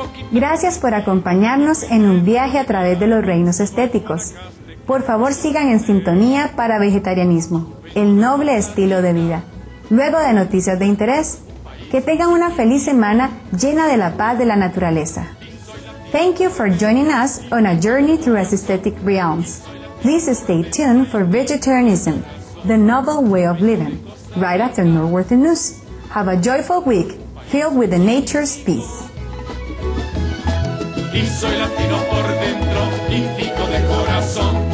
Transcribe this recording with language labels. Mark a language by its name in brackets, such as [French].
[Spanish] Gracias por acompañarnos en un viaje a través de los reinos estéticos. Por favor, sigan en sintonía para Vegetarianismo, el noble estilo de vida. Luego de Noticias de Interés, que tengan una feliz semana llena de la paz de la naturaleza. [English] Thank you for joining us on a journey through aesthetic realms. Please stay tuned for Vegetarianism, the noble way of living, right after Norworthy News. Have a joyful week filled with the nature's peace. [Spanish] Y soy latino por dentro, y tico de corazón.